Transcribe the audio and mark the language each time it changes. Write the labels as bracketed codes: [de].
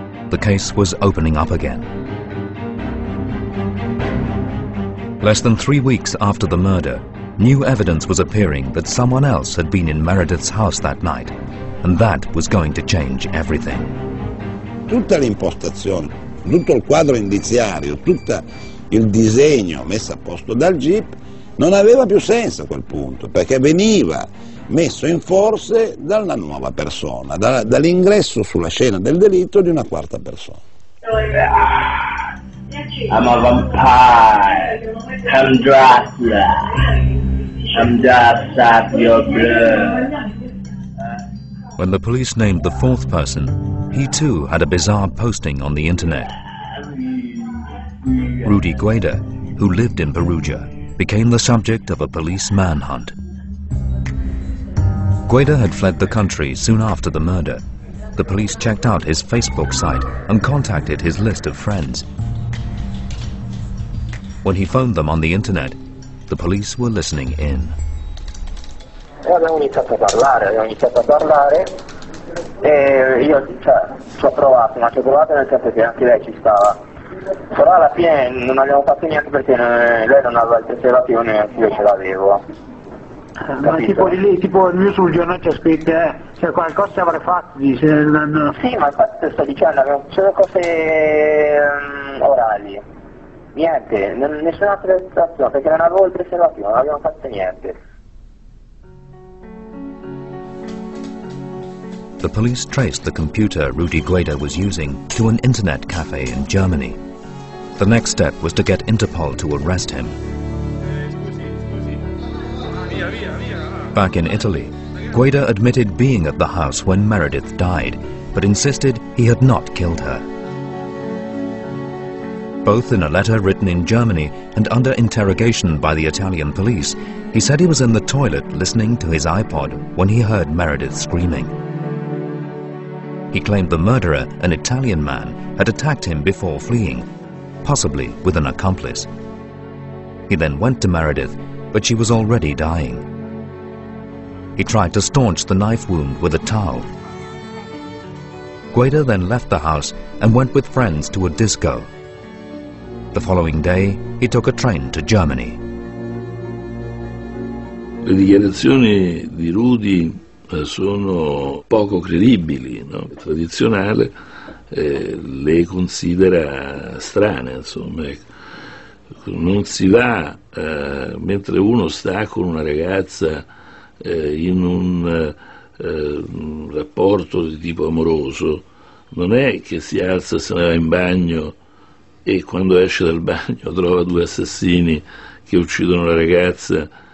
[en] The case was opening up again. Less than 3 weeks after the murder, new evidence was appearing that someone else had been in Meredith's house that night, and that was going to change everything. [it] Tutta l'impostazione tutto il quadro indiziario, tutto il disegno messo a posto dal GIP non aveva più senso a quel punto, perché veniva messo in forze dalla nuova persona, dall'ingresso sulla scena del delitto di una quarta persona. [en] I'm a vampire. I'm Dracula. I'm Dracula. When the police named the fourth person, he too had a bizarre posting on the internet. Rudy Guaida, who lived in Perugia, became the subject of a police manhunt. Guaida had fled the country soon after the murder. The police checked out his Facebook site and contacted his list of friends. When he phoned them on the internet, the police were listening in. [it] E abbiamo iniziato a parlare, e io ci ho provato, ma ci ho provato nel senso che anche lei ci stava. Però alla fine non abbiamo fatto niente perché lei non aveva il preservativo, neanche io ce l'avevo. Capito? Ma tipo lì, tipo io sul giornale c'è scritto, cioè qualcosa ci avrei fatto, dice. No. Sì, ma infatti te sto dicendo, sono cose orali. Niente, nessuna attrezzazione, perché non avevo il preservativo, non abbiamo fatto niente. [en] The police traced the computer Rudy Guaida was using to an internet cafe in Germany. The next step was to get Interpol to arrest him. Back in Italy, Guaida admitted being at the house when Meredith died, but insisted he had not killed her. Both in a letter written in Germany and under interrogation by the Italian police, he said he was in the toilet listening to his iPod when he heard Meredith screaming. He claimed the murderer, an Italian man, had attacked him before fleeing, possibly with an accomplice. He then went to Meredith, but she was already dying. He tried to staunch the knife wound with a towel. Guaida then left the house and went with friends to a disco. The following day, he took a train to Germany. [it] Le dichiarazioni di Rudy sono poco credibili, no? È tradizionale, le considera strane, insomma. Non si va, mentre uno sta con una ragazza in un rapporto di tipo amoroso, non è che si alza, se ne va in bagno e quando esce dal bagno trova due assassini che uccidono la ragazza.